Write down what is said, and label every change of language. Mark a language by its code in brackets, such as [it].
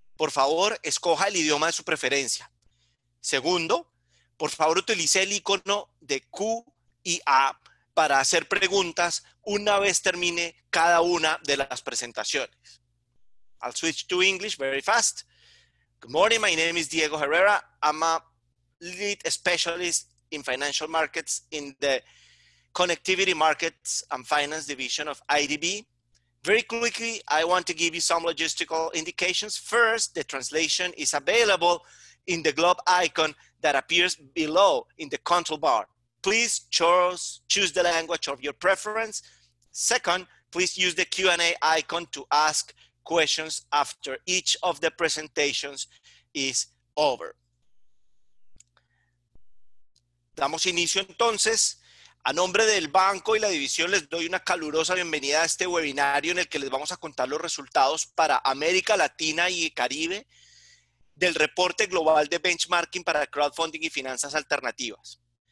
[es] Por favor, escoja el idioma de su preferencia. Segundo, por favor, utilice el icono de Q&A para hacer preguntas una vez termine cada una de las presentaciones. [en] I'll switch to English very fast. Good morning, my name is Diego Herrera. I'm a lead specialist in financial markets in the Connectivity Markets and Finance Division of IDB. Very quickly, I want to give you some logistical indications. First, the translation is available in the globe icon that appears below in the control bar. Please choose the language of your preference. Second, please use the Q&A icon to ask questions after each of the presentations is over. [es] Damos inicio entonces. A nombre del banco y la división, les doy una calurosa bienvenida a este webinario en el que les vamos a contar los resultados para América Latina y Caribe del reporte global de benchmarking para crowdfunding y finanzas alternativas.